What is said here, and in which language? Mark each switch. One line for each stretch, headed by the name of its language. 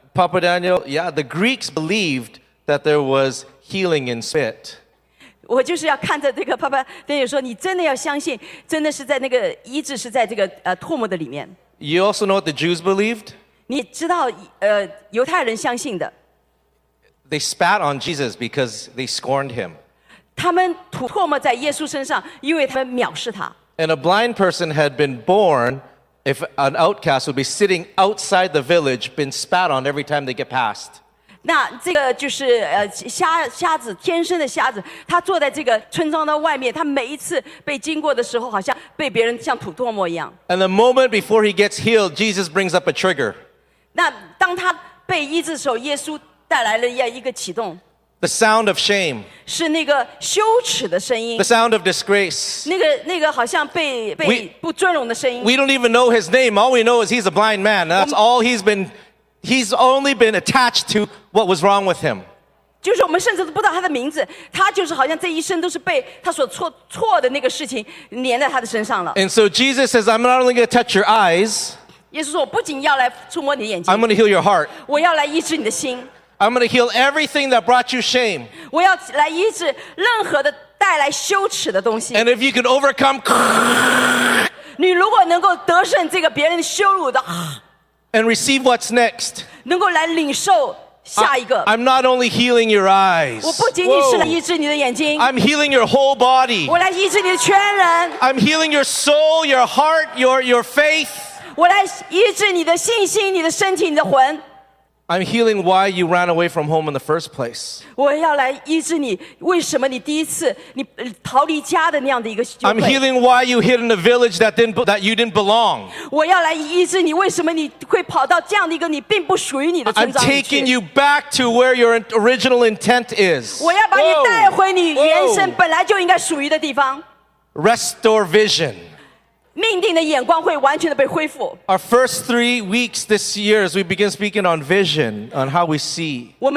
English: Papa Daniel, yeah, the Greeks believed that there was healing in spit.
Chinese: 我就是要看着这个 Papa Daniel 说，你真的要相信，真的是在那个医治是在这个唾沫的里面。
English: You also know what the Jews believed?
Chinese: 你知道，犹太人相信的。
English: They spat on Jesus because they scorned him.
Chinese: 他们吐唾沫在耶稣身上，因为他们藐视他。
English: And a blind person had been born, if an outcast would be sitting outside the village, been spat on every time they get past.
Chinese: 那这个就是瞎子，天生的瞎子，他坐在这个村庄的外面，他每一次被经过的时候，好像被别人像吐唾沫一样。
English: And the moment before he gets healed, Jesus brings up a trigger.
Chinese: 那当他被医治的时候，耶稣带来了一个启动。
English: The sound of shame.
Chinese: 是那个羞耻的声音。
English: The sound of disgrace.
Chinese: 那个好像被不尊荣的声音。
English: We don't even know his name. All we know is he's a blind man. That's all he's been. He's only been attached to what was wrong with him.
Chinese: 就是我们甚至都不知道他的名字，他就是好像这一生都是被他所错的那个事情粘在他的身上了。
English: And so Jesus says, "I'm not only going to touch your eyes."
Chinese: 耶稣说：“我不仅要来触摸你的眼睛。
English: I'm going to heal your heart.
Chinese: 我要来医治你的心。
English: I'm going to heal everything that brought you shame.
Chinese: 我要来医治任何的带来羞耻的东西。
English: And if you can overcome,
Chinese: 你如果能够得胜这个别人羞辱的
English: ，and receive what's next,
Chinese: 能够来领受下一个。
English: I'm not only healing your eyes.
Chinese: 我不仅仅是来医治你的眼睛。
English: I'm healing your whole body.
Chinese: 我来医治你的全人。
English: I'm healing your soul, your heart, your faith.”
Chinese: 我来医治你的信心，你的身体，你的魂。
English: I'm healing why you ran away from home in the first place.
Chinese: 我要来医治你, 为什么你第一次, 你逃离家的那样的一个,
English: I'm healing why you hid in a village that you didn't belong.
Chinese: 我要来医治你, 为什么你会跑到这样的一个你并不属于你的村庄里去?
English: I'm taking you back to where your original intent is.
Chinese: 我要把你带回你原生本来就应该属于的地方。
English: Restore vision.
Chinese: 命定的眼光会完全的被恢复。
English: Our first 3 weeks this year, as we begin speaking on vision, on how we see.